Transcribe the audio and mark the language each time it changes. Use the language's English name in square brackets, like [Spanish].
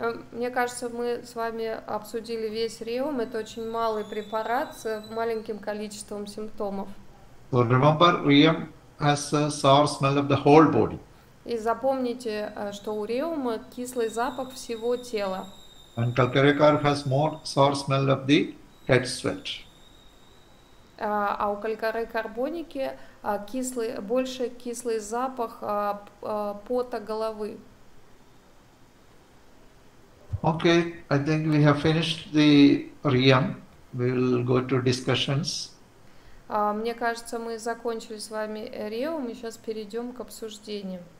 [Russian] Мне кажется, мы с вами обсудили весь реум. Это очень малый препарат с маленьким количеством симптомов. [English] So remember, REM has a sour smell of the whole body. [Russian] И запомните, что у реума кислый запах всего тела. [English] And calcarea carb has more sour smell of the head sweat. [Russian] А у калькарей карбоники больше кислый запах пота головы. [English] Okay, I think we have finished the REM. We will go to discussions. [Russian] Мне кажется, мы закончили с вами реум, и сейчас перейдем к обсуждениям.